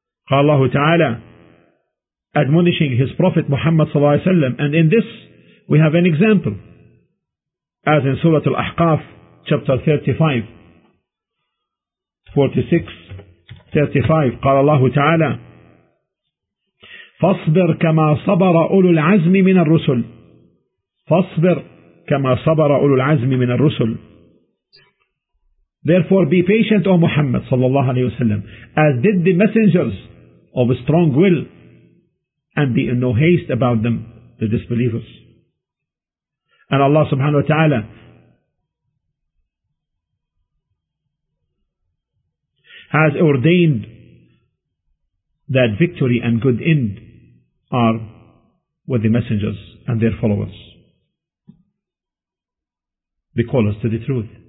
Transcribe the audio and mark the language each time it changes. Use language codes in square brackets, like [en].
[ar] قال الله تعالى [en] admonishing his Prophet Muhammad [ar] صلى الله عليه وسلم, [en] and in this we have an example, as in Surah Al-Ahqaf, chapter 35, 46, 35. [ar] قال الله تعالى فاصبر كما صبر أولو العزم من الرسل, فاصبر كما صبر أولو العزم من الرسل. [en] Therefore be patient, O Muhammad [ar] صلى الله عليه وسلم, [en] as did the messengers of strong will, and be in no haste about them, the disbelievers. And Allah subhanahu wa ta'ala has ordained that victory and good end are with the messengers and their followers, the callers to the truth.